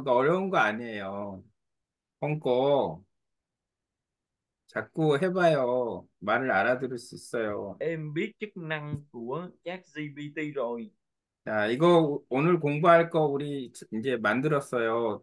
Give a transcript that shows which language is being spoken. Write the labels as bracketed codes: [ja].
[ko] 이거 어려운 거 아니에요. 홍고 자꾸 해봐요. 말을 알아들을 수 있어요. [vi] Em biết chức năng của ChatGPT rồi. [ko] Yeah, 이거 오늘 공부할 거 우리 이제 만들었어요.